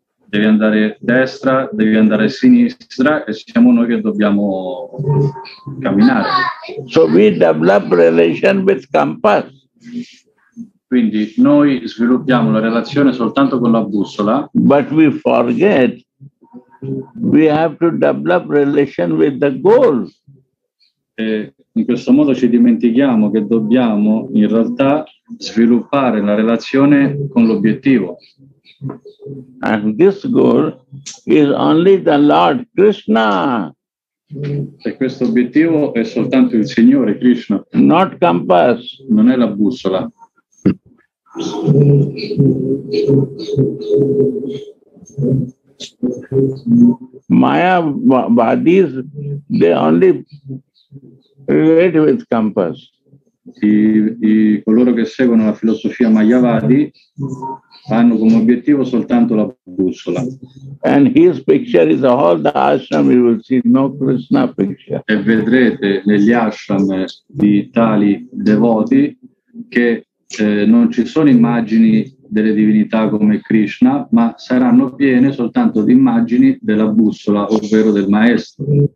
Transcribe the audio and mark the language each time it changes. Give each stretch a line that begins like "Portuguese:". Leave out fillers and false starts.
Italian: Devi andare a destra, devi andare a sinistra e siamo noi che dobbiamo camminare.
English: So we develop relation with compass.
Italian: Quindi noi sviluppiamo la relazione soltanto con la bussola.
English: But we forget we have to develop relation with the goal.
Italian: E in questo modo ci dimentichiamo che dobbiamo in realtà sviluppare la relazione con l'obiettivo.
English: And this goal is only the Lord Krishna.
Italian: E questo obiettivo è soltanto il Signore Krishna.
English: Not compass.
Italian: Non è la bussola.
English: Maya Vadis, they only relate with compass.
Italian: I coloro che seguono la filosofia Mayavadi hanno come obiettivo soltanto la bussola.
English: And his picture is all the ashram, you will see no Krishna picture.
Italian: E vedrete negli ashram di tali devoti che non ci sono immagini delle divinità come Krishna, ma saranno piene soltanto di immagini della bussola, ovvero del maestro.